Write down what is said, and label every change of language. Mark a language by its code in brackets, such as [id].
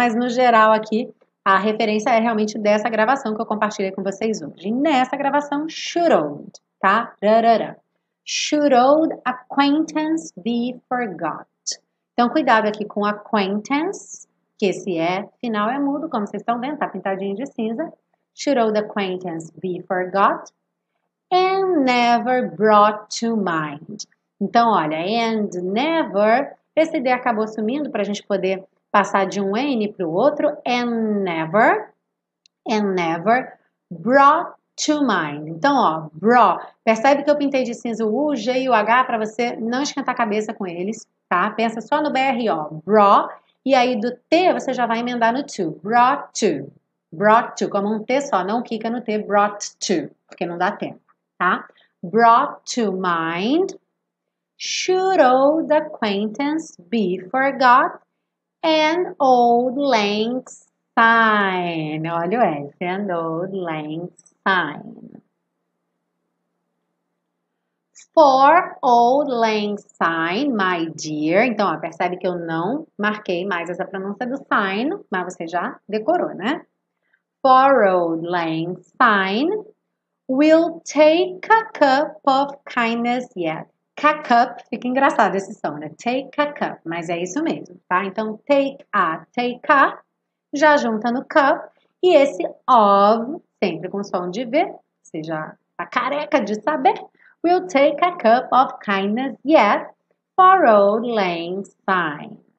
[pt] Mas no geral aqui, a referência é realmente dessa gravação que eu compartilhei com vocês hoje. Nessa gravação, [en] should-old, [pt] tá? Rarara. [en] Should-old acquaintance be forgot? [pt] Então, cuidado aqui com acquaintance, que esse é, final é mudo, como vocês estão vendo, tá pintadinho de cinza. [en] Should old acquaintance be forgot and never brought to mind. [pt] Então, olha, [en] and never, [pt] esse D acabou sumindo pra gente poder passar de um N pro outro. [en] And never brought to mind. [pt] Então, ó, brought. Percebe que eu pintei de cinza o U, G e o H pra você não esquentar a cabeça com eles, tá? Pensa só no BR, ó, [en] brought. [pt] E aí, do T, você já vai emendar no to. [en] Brought to. Brought to. [pt] Como um T só, não quica no T. [en] Brought to. [pt] Porque não dá tempo, tá? [en] Brought to mind. Should old acquaintance be forgot? And old lang syne. [pt] Olha o S. [en] And old lang syne. For old lang syne, my dear. [pt] Então, ó, percebe que eu não marquei mais essa pronúncia do sign, mas você já decorou, né? [en] For old lang syne, we'll take a cup of kindness yet. [pt] Cup, fica engraçado esse som, né? [en] Take a cup, [pt] mas é isso mesmo, tá? Então, [en] take a, [pt] já junta no cup. E esse of, sempre com som de V, você já tá careca de saber. [en] We'll take a cup of kindness yet for old lang syne.